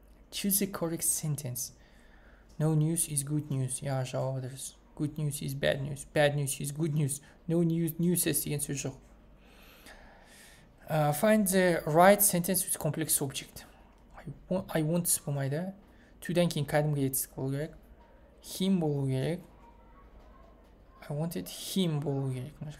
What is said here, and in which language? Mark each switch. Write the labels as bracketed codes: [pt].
[en] Choose the correct sentence. No news is good news, yeah, [kk] жауап дұрыс. [en] Good news is bad news. Bad news is good news. No news is [kk] деген сөз жоқ. [en] Find the right sentence with complex object. I want болмайды. [kk] To-дан кейін кәдімгі етістік болу керек. Him болу керек. [en] I wanted him [kk] болу керек.